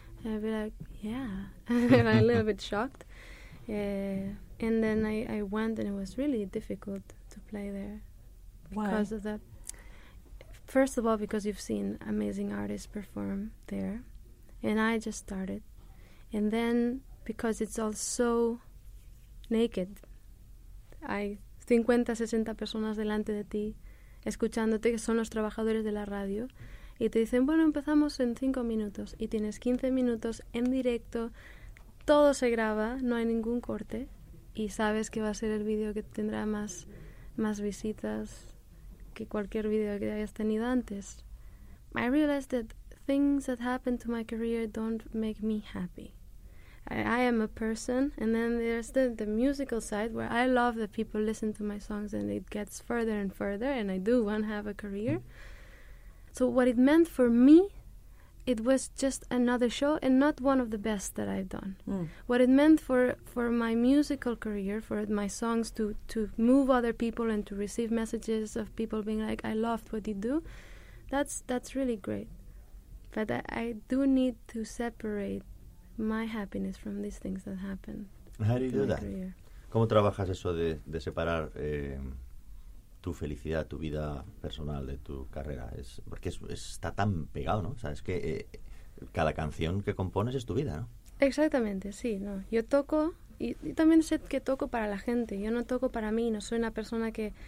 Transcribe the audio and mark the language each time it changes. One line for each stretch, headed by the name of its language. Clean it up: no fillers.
English: And I'd be like, yeah. I'm a little bit shocked. And then I went, and it was really difficult to play there. Why? Because of that. First of all, because you've seen amazing artists perform there. And I just started. And then because it's all so naked.
Spanish: Hay 50, 60 personas delante de ti, escuchándote, que son los trabajadores de la radio, y te dicen, bueno, empezamos en 5 minutos, y tienes 15 minutos en directo, todo se graba, no hay ningún corte, y sabes que va a ser el video que tendrá más visitas que cualquier video que hayas tenido antes.
English: I realized that things that happen to my career don't make me happy. I am a person, and then there's the musical side where I love that people listen to my songs and it gets further and further, and I do want to have a career. So what it meant for me, it was just another show and not one of the best that I've done. Mm. What it meant for my musical career, for my songs to move other people and to receive messages of people being like, I loved what you do, that's really great. But I do need to separate my happiness from these things that happen. How do you do that?
Spanish: ¿Cómo trabajas eso de separar tu felicidad, tu vida personal, de tu carrera? Está tan pegado, ¿no? O sea, es que cada canción que compones es tu vida, ¿no? Exactamente, sí. No. Yo toco, y también sé que toco para la gente. Yo no toco para mí, no soy una persona que...